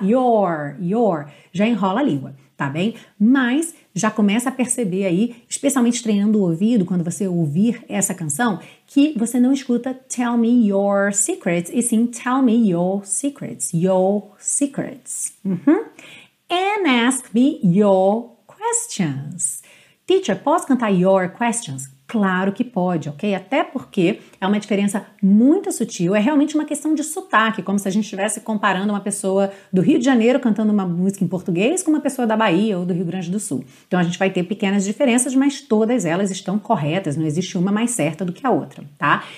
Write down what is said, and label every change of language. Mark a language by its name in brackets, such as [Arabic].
[Portuguese] Your, já enrola a língua, tá bem? Mas já começa a perceber aí, especialmente treinando o ouvido, quando você ouvir essa canção, que você não escuta [English] tell me your secrets, [Portuguese] e sim tell me your secrets, your secrets. Uhum. [English] And ask me your questions. [Portuguese] Teacher, posso cantar your questions? Claro que pode, ok? Até porque é uma diferença muito sutil, é realmente uma questão de sotaque, como se a gente estivesse comparando uma pessoa do Rio de Janeiro cantando uma música em português com uma pessoa da Bahia ou do Rio Grande do Sul. Então a gente vai ter pequenas diferenças, mas todas elas estão corretas, não existe uma mais certa do que a outra, tá?